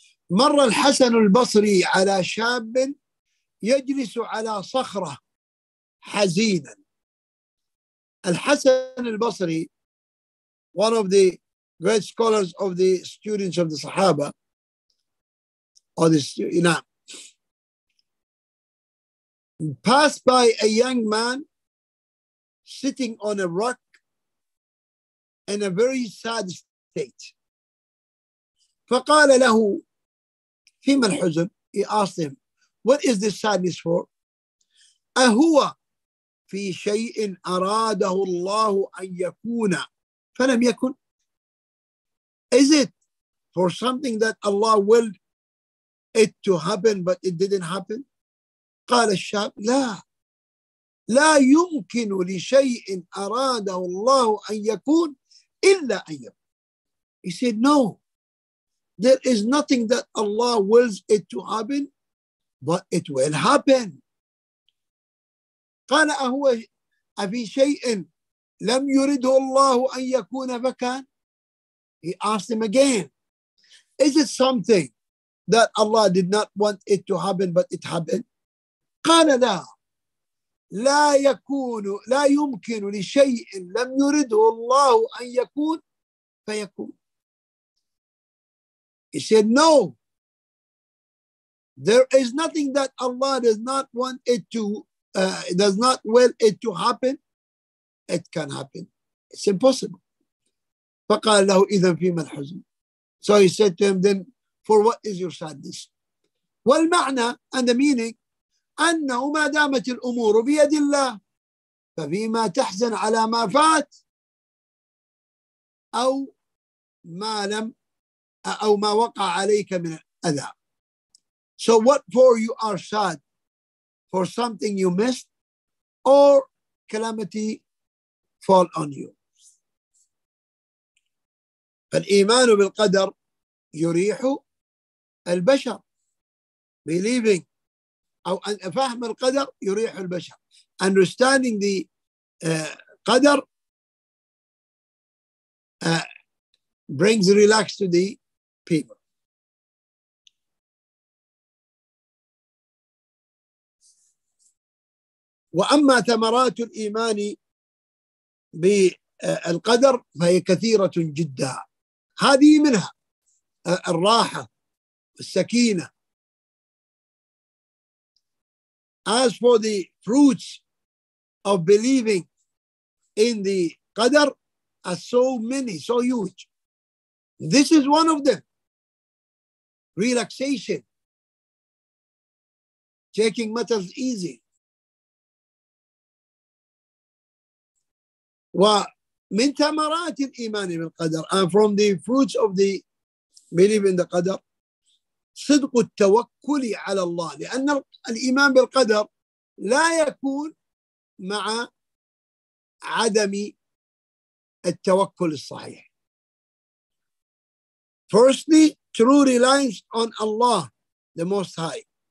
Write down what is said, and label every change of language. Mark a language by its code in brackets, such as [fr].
[ar] مر الحسن البصري على شاب يجلس على صخرة حزينا. [en] الحسن البصري, one of the great scholars of the students of the Sahaba, passed by a young man sitting on a rock in a very sad state. [ar] فقال له فيما الحزن. [en] He asked him, what is this sadness for? [ar] أهو في شيء أراده الله أن يكون فلم يكن. [en] Is it for something that Allah willed it to happen but it didn't happen? [ar] قال الشاب, لا, لا يمكن لشيء أراده الله أن يكون إلا أن يكون. [en] He said, no, there is nothing that Allah wills it to happen but it will happen. [ar] قال أهو أفي شيء لم يرده الله أن يكون فكان. [en] He asked him again, is it something that Allah did not want it to happen but it happened? [ar] قال لا, لا يكون, لا يمكن لشيء لم يرده الله أن يكون فيكون. [en] He said, no, there is nothing that Allah does not want it to does not will it to happen. It can happen. It's impossible. [ar] فقال له إذن فيما الحزن. [en] So he said to him, then for what is your sadness? [ar] والمعنى [en] and the meaning, [ar] أنه ما دامت الأمور بيد الله ففيما تحزن على ما فات أو ما لم أو ما وقع عليك من أذى. [en] So what for you are sad? For something you missed or calamity fall on you. [ar] فالإيمان بالقدر يريح البشر. [en] Believing [ar] أو فهم القدر يريح البشر. [en] Understanding the قدر brings relax to the people. [ar] وأما ثمرات الإيمان بالقدر فهي كثيرة جدا. هذه منها الراحة والسكينة. [en] As for the fruits of believing in the qadr are so many, so huge. This is one of them. Relaxation. Taking matters easy. [ar] ومن ثمرات الإيمان بالقدر, [en] and from the fruits of the belief in the qadr, [ar] صدق التوكل على الله. لأن الإيمان بالقدر لا يكون مع عدم التوكل الصحيح. [en] Firstly, true reliance on Allah, the Most High.